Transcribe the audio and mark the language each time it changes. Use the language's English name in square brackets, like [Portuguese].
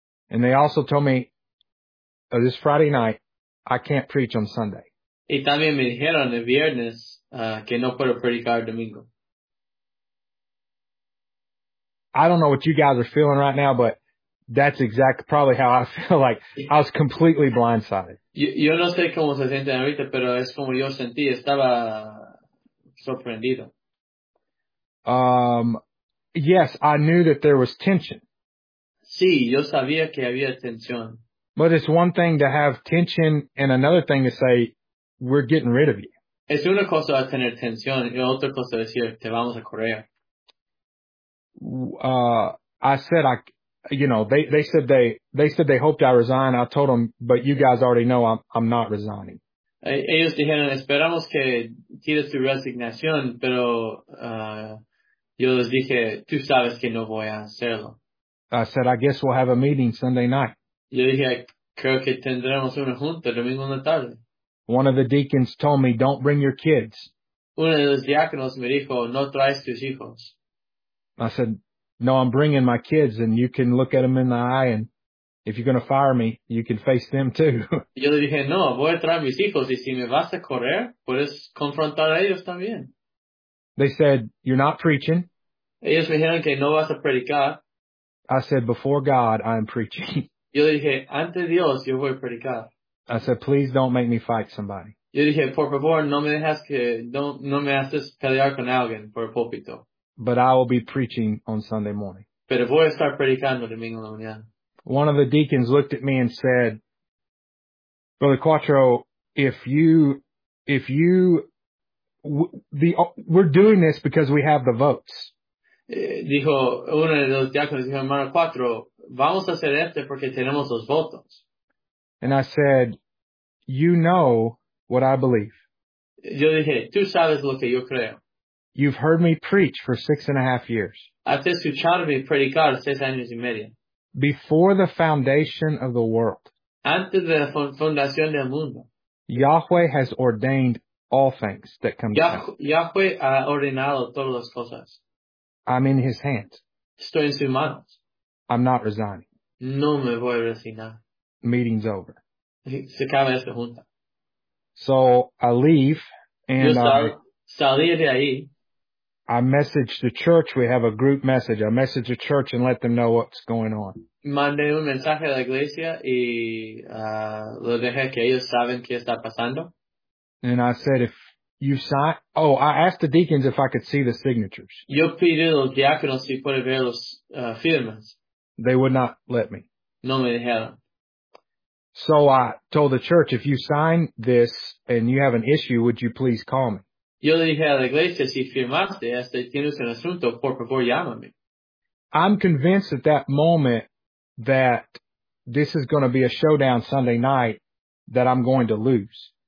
[English] And they also told me, this Friday night, I can't preach on Sunday. [Spanish] Y también me dijeron el viernes que no puedo predicar el domingo. [English] I don't know what you guys are feeling right now, but that's exactly probably how I feel. Like I was completely blindsided. [Spanish] Yo no sé cómo se siente ahorita, pero es como yo sentí. Estaba sorprendido. [English] Yes, I knew that there was tension. [Spanish] Sí, yo sabía que había tensión. [English] But it's one thing to have tension and another thing to say, we're getting rid of you. [Spanish] Es una cosa tener tensión y otra cosa decir, te vamos a correr. [English] I said, they said they hoped I resign. I told them, but you guys already know I'm not resigning. [Spanish] Ellos dijeron, esperamos que tires tu resignación, pero yo les dije, tú sabes que no voy a hacerlo. [English] I said, I guess we'll have a meeting Sunday night. [Spanish] Yo dije, creo que tendremos una junta domingo en la tarde. [English] One of the deacons told me, don't bring your kids. [Spanish] Uno de los diáconos me dijo, no traes tus hijos. [English] I said, no, I'm bringing my kids, and you can look at them in the eye, and if you're going to fire me, you can face them too. [Spanish] Yo le dije, no, voy a traer mis hijos, y si me vas a correr, puedes confrontar a ellos también. [English] They said, you're not preaching. [Spanish] Ellos me dijeron que no vas a predicar. [English] I said, before God, I'm preaching. [Spanish] Yo le dije, ante Dios, yo voy a predicar. [English] I said, please don't make me fight somebody. [Spanish] Yo dije, por favor, no me haces pelear con alguien por el púlpito. [English] But I will be preaching on Sunday morning. [Spanish] Pero voy a estar predicando domingo en la mañana. [English] One of the deacons looked at me and said, Brother Quattro, we're doing this because we have the votes. [Spanish] Dijo, uno de los diáconos dijo, hermano Quattro, vamos a hacer esto porque tenemos los votos. [English] And I said, you know what I believe. [Spanish] Yo dije, tú sabes lo que yo creo. [English] You've heard me preach for 6.5 years. [Spanish] Has escuchado mi predicar 6 años y medio. [English] Before the foundation of the world. [Spanish] Antes de la fundación del mundo. [English] Yahweh has ordained all things that come to [Spanish] pass. Yahweh ha ordenado todas las cosas. [English] I'm in his hands. [Spanish] Estoy en sus manos. [English] I'm not resigning. [Spanish] No me voy a resignar. [English] Meeting's over. [Spanish] Se acaba esta junta. [English] So I leave and [Spanish] salí de ahí. [English] I message the church. We have a group message. I message the church and let them know what's going on. [Spanish] Mandé un mensaje a la iglesia y lo dejé que ellos saben qué está pasando. [English] And I said, if you sign... Oh, I asked the deacons if I could see the signatures. [Spanish] Yo pedí a los diáconos si puede ver las firmas. [English] They would not let me. [Spanish] No me dejaron. [English] So I told the church, if you sign this and you have an issue, would you please call me? [Spanish] Yo le dije a la iglesia, si firmaste, hasta tienes un asunto, por favor, llámame. [English] I'm convinced at that moment that this is going to be a showdown Sunday night that I'm going to lose.